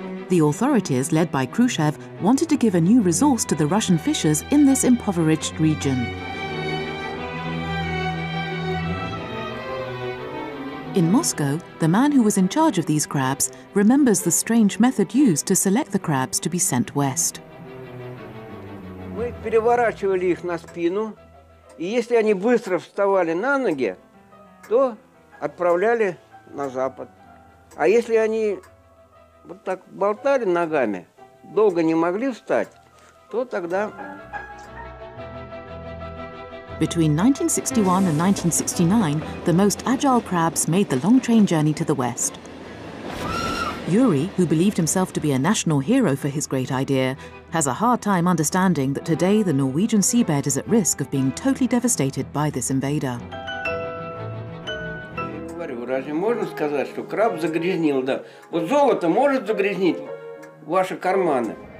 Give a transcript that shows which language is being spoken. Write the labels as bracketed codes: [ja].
[en] The authorities, led by Khrushchev, wanted to give a new resource to the Russian fishers in this impoverished region. In Moscow, the man who was in charge of these crabs remembers the strange method used to select the crabs to be sent west. [ru] Мы переворачивали их на спину, и если они быстро вставали на ноги, то отправляли на запад. А если они вот так болтали ногами, долго не могли встать, то тогда [en] Between 1961 and 1969, the most agile crabs made the long train journey to the west. Yuri, who believed himself to be a national hero for his great idea, has a hard time understanding that today the Norwegian seabed is at risk of being totally devastated by this invader. [ru] Разве можно сказать, что краб загрязнил, да? Вот золото может загрязнить ваши карманы.